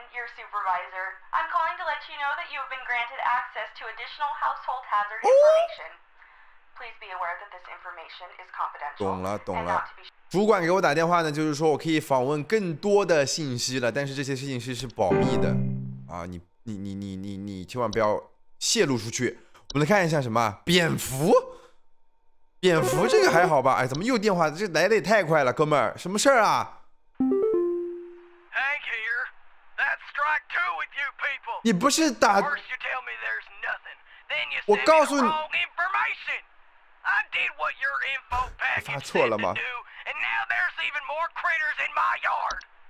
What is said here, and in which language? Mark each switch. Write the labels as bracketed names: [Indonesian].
[English] Supervisor, I'm calling to let you know that you have been granted access to additional household hazard information. Please be aware that this information is confidential. [Chinese] 懂了。主管给我打电话呢，就是说我可以访问更多的信息了，但是这些信息是保密的啊，你千万不要泄露出去。我们来看一下什么蝙蝠。蝙蝠这个还好吧？哎，怎么又电话？这来的也太快了，哥们儿，什么事儿啊 [English] ？Hank here, that's strike two with you people. [Chinese] 你不是打？ [English] First you tell me there's nothing, then you send the wrong information. I did what your info package said to do, and now there's even more critters in my yard.